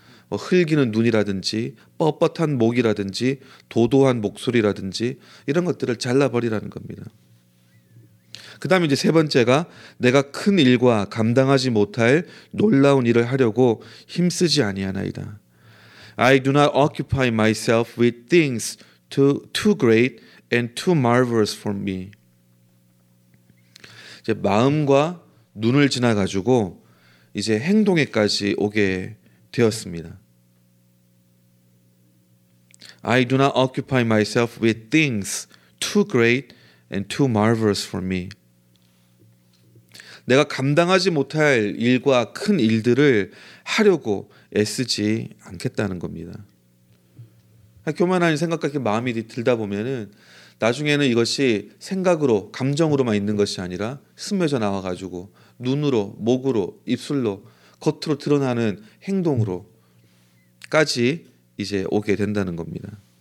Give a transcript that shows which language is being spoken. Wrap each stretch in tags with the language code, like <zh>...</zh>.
<ko>흘기는 눈이라든지 뻣뻣한 목이라든지 도도한 목소리라든지 이런 것들을 잘라버리라는 겁니다. 그 다음에 이제 세 번째가, 내가 큰 일과 감당하지 못할 놀라운 일을 하려고 힘쓰지 아니하나이다.</ko> <en>I do not occupy myself with things too great and too marvelous for me.</en> <ko>이제 마음과 눈을 지나가지고 이제 행동에까지 오게 되었습니다.</ko> <en>I do not occupy myself with things too great and too marvelous for me.</en> <ko>내가 감당하지 못할 일과 큰 일들을 하려고 애쓰지 않겠다는 겁니다. 교만한 생각과 마음이 들다 보면은 나중에는 이것이 생각으로, 감정으로만 있는 것이 아니라 스며져 나와가지고 눈으로, 목으로, 입술로, 겉으로 드러나는 행동으로까지 이제 오게 된다는 겁니다.</ko>